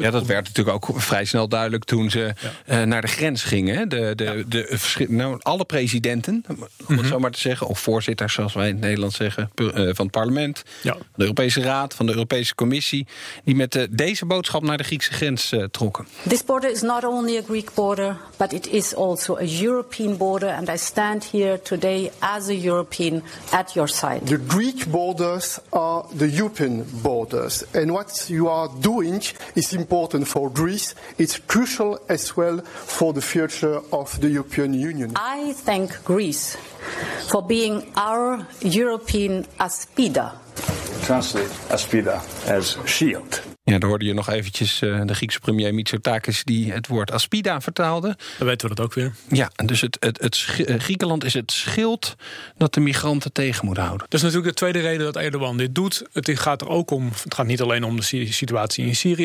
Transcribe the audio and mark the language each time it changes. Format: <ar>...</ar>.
<nl>Ja, dat werd natuurlijk ook vrij snel duidelijk toen ze naar de grens gingen. Alle presidenten, om het zo maar te zeggen, of voorzitters, zoals wij in het Nederlands zeggen, van het parlement, van de Europese Raad, van de Europese Commissie, die met deze boodschap naar de Griekse grens trokken.</nl> <en>This border is not only a Greek border, but it is also a European border, and I stand here today as a European at your side. The Greek borders are the European borders, and what you are doing is important for Greece. It's crucial as well for the future of the European Union. I thank Greece for being our European aspida. Translate aspida as shield.</en> <nl>Ja, dan hoorde je nog eventjes de Griekse premier Mitsotakis die het woord aspida vertaalde. Dan weten we dat ook weer. Ja, dus Griekenland is het schild dat de migranten tegen moet houden. Dat is natuurlijk de tweede reden dat Erdogan dit doet. Het gaat er ook om, het gaat niet alleen om de situatie in Syrië.</nl>